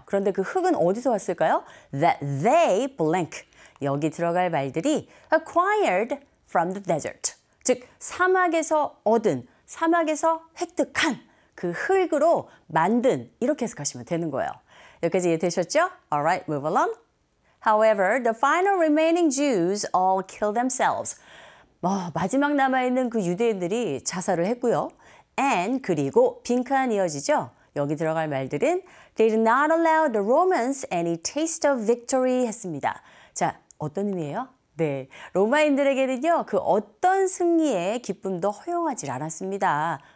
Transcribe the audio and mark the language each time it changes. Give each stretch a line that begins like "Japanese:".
Korean: 그런데 그 흙은 어디서 왔을까요?
English: That they blank,
Korean: 여기 들어갈 말들이
English: acquired from the desert.
Korean: 즉, 사막에서 얻은, 사막에서 획득한 그 흙으로 만든, 이렇게 해석하시면 되는 거예요. 여기까지 이해되셨죠?
English: Alright, move along. However, the final remaining Jews all killed themselves.
Korean: 뭐, 마지막 남아있는 그 유대인들이 자살을 했고요.
English: And,
Korean: 그리고 빈칸 이어지죠? 여기 들어갈 말들은
English: They did not allow the Romans any taste of victory
Korean: 했습니다. 자, 어떤 의미예요? 네, 로마인들에게는요 그 어떤 승리의 기쁨도 허용하지 않았습니다.